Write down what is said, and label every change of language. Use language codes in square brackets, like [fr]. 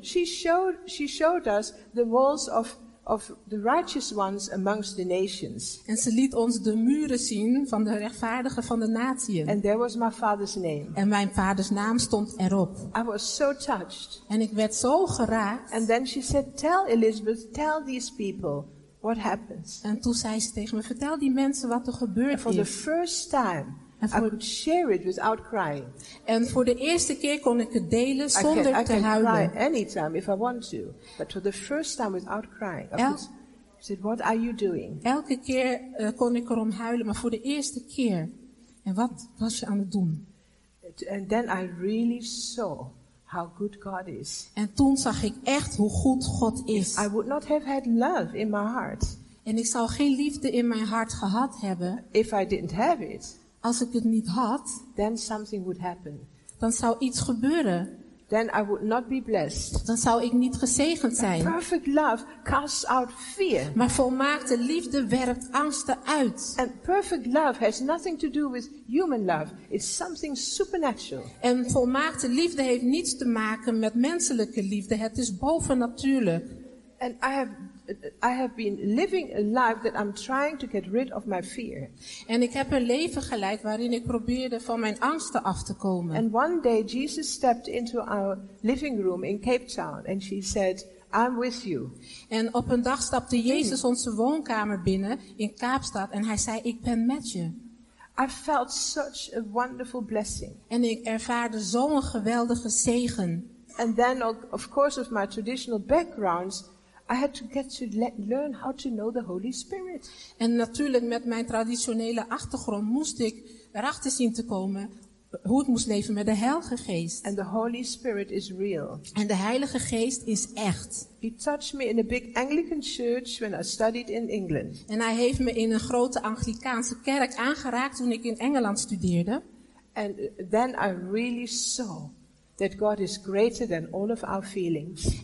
[en] She showed us the walls of the righteous ones amongst the nations. [nl] En ze liet ons de muren zien van de rechtvaardigen van de natieën. [en] And there was my father's name. [nl] En mijn vaders naam stond erop. [en] I was so touched. [nl] En ik werd zo geraakt. [en] And then she said, "Tell Elizabeth, tell these people what happens." [nl] En toen zei ze tegen me, vertel die mensen wat er gebeurd is. [en] For the first time. I could share it without crying. [nl] En voor de eerste keer kon ik het delen zonder te huilen. [en] I can cry anytime if I want to, but for the first time without crying. I said, what are you doing? [nl] Elke keer kon ik erom huilen, maar voor de eerste keer. En wat was je aan het doen? [en] And then I really saw how good God is. [nl] En toen zag ik echt hoe goed God is. [en] I would not have had love in my heart. [nl] En ik zou geen liefde in mijn hart gehad hebben. [en] If I didn't have it. [nl] Als ik het niet had. [en] Then something would happen. [nl] Dan zou iets gebeuren. [en] Then I would not be blessed. [nl] Dan zou ik niet gezegend zijn. [en] But perfect love casts out fear. [nl] Maar volmaakte liefde werpt angsten uit. [en] And perfect love has nothing to do with human love. It's something supernatural. [nl] En volmaakte liefde heeft niets te maken met menselijke liefde. Het is bovennatuurlijk. [en] And I have been living a life that I'm trying to get rid of my fear. [nl] En ik heb een leven geleid waarin ik probeerde van mijn angsten af te komen. [en] And one day Jesus stepped into our living room in Cape Town and she said, I'm with you. [nl] En op een dag stapte Jezus onze woonkamer binnen in Kaapstad en hij zei, ik ben met je. [en] I felt such a wonderful blessing. [nl] En ik ervaarde zo'n geweldige zegen. [en] And then of course of my traditional backgrounds I had to get to learn how to know the Holy Spirit. [nl] En natuurlijk met mijn traditionele achtergrond moest ik erachter zien te komen hoe ik moest leven met de Heilige Geest. [en] And the Holy Spirit is real. [nl] En de Heilige Geest is echt. [en] He touched me in a big Anglican church when I studied in England. [nl] En hij heeft me in een grote Anglicaanse kerk aangeraakt toen ik in Engeland studeerde. [en] And then I really saw that God is greater than all of our feelings.